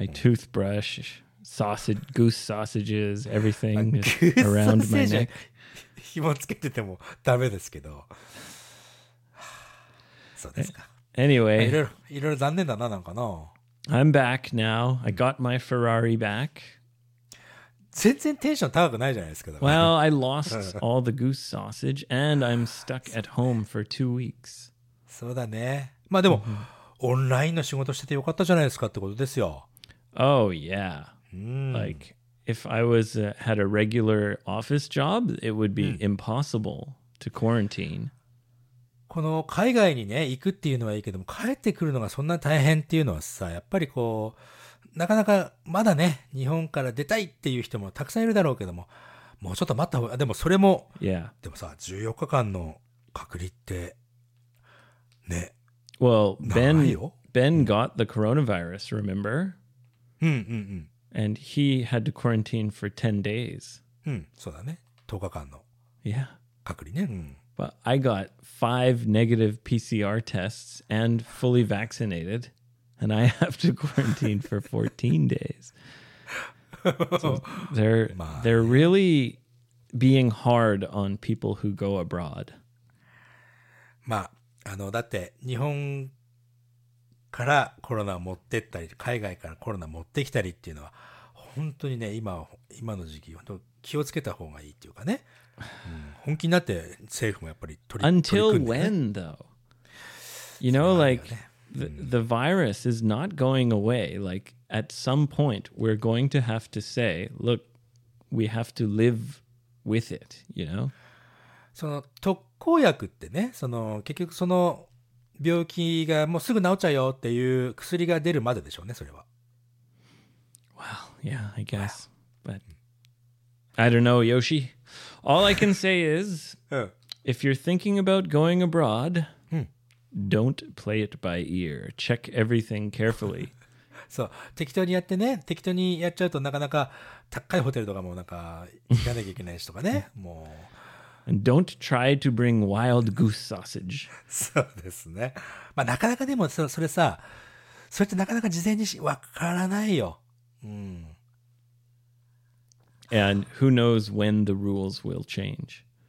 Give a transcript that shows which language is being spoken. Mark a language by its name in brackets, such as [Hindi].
[English] My toothbrush, sausage, goose sausages, everything is around my neck. [Japanese] 紐つけててもダメですけど、そうですか。 [English] Anyway, [Japanese] いろいろ残念だな、なんかな。 [English] I'm back now. I got my Ferrari back. [Japanese] 全然テンション高くないじゃないですか。 [English] Well, I lost all the goose sausage and I'm stuck at home for 2 weeks. [Japanese] そうだね。まあでも、オンラインの仕事しててよかったじゃないですかってことですよ。 [English] Oh yeah. Like. If I was, had a regular office job, it would be impossible to quarantine. [Japanese] この海外にね、行くっていうのはいいけども、帰ってくるのがそんな大変っていうのはさ、やっぱりこう、なかなかまだね、日本から出たいっていう人もたくさんいるだろうけども、もうちょっと待った方が、でもそれも、 [English] yeah. [Japanese] でもさ、14日間の隔離って、ね。 [English] Well, Ben got the coronavirus, remember? [Japanese] うんうんうん。 [English] And he had to quarantine for 10 days. [Japanese] うん、そうだね。10日間の隔離ね。うん。 [English] But I got 5 negative PCR tests and fully vaccinated. And I have to quarantine for 14 days. So they're really being hard on people who go abroad. [Japanese] まあ、だって日本からコロナを持ってったり、海外からコロナを持ってきたりっていうのは、本当にね、今の時期、本当気をつけた方がいいっていうかね、うん、本気になって政府もやっぱり取り組んで [English] ね。Until when, though? You know, like, the virus is not going away. Like, at some point, we're going to have to say, look, we have to live with it, you know? [Japanese] その特効薬ってね、その結局その病気がもうすぐ治っちゃうよっていう薬が出るまででしょうね、それは。 [English] Well, yeah, I guess. But I don't know, Yoshi. All I can say is, if you're thinking about going abroad, don't play it by ear. Check everything carefully. [Japanese] そう、適当にやってね、適当にやっちゃうとなかなか高いホテルとかもなんか行かなきゃいけないしとかね、もう。 [English] And don't try to bring wild goose sausage. [Japanese] そうですね。まあなかなかでもそれさ、それってなかなか事前にわからないよ。うん。 [English] And who knows when the rules will change?